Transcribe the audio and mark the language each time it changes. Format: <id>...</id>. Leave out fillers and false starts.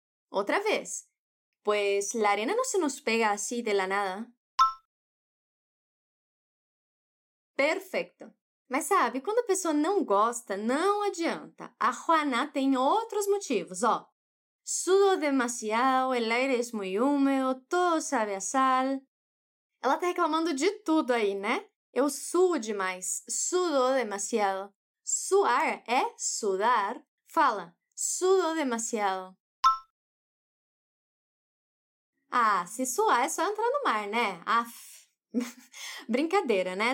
<pt>Outra vez.</pt> <es>Pois la arena não se nos pega assim de la nada.</es> <pt>Perfeito. Mas sabe, quando a pessoa não gosta, não adianta. A Juana tem outros motivos, ó.</pt> <es>Sudo demasiado, el aire es muy húmedo, todo sabe a sal.</es> <pt>Ela tá reclamando de tudo aí, né? Eu suo demais.</pt> <es>Sudo demasiado.</es> <pt>Suar é sudar. Fala.</pt> <es>Sudo demasiado.</es> <pt>Ah, se suar é só entrar no mar, né? Aff. Brincadeira, né?</pt>